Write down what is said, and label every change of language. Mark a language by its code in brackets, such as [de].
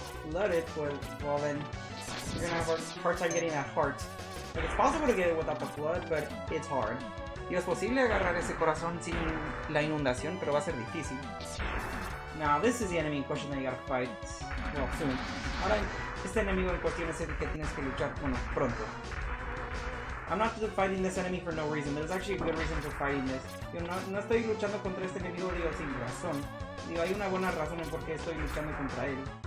[en] Flooded, pues, well then, you're gonna have a hard time getting that heart. Like, it's possible to get it without the flood, but it's hard. [es] Y es posible agarrar ese corazón sin la inundación, pero va a ser difícil. [en] Now, this is the enemy in question that you gotta fight. Well, soon. [es] Ahora, este enemigo en cuestión es el que tienes que luchar, bueno, pronto. [en] I'm not just fighting this enemy for no reason. There's actually a good reason for fighting this. [es] Yo no estoy luchando contra este enemigo, digo, sin razón. Digo, hay una buena razón en por qué estoy luchando contra él.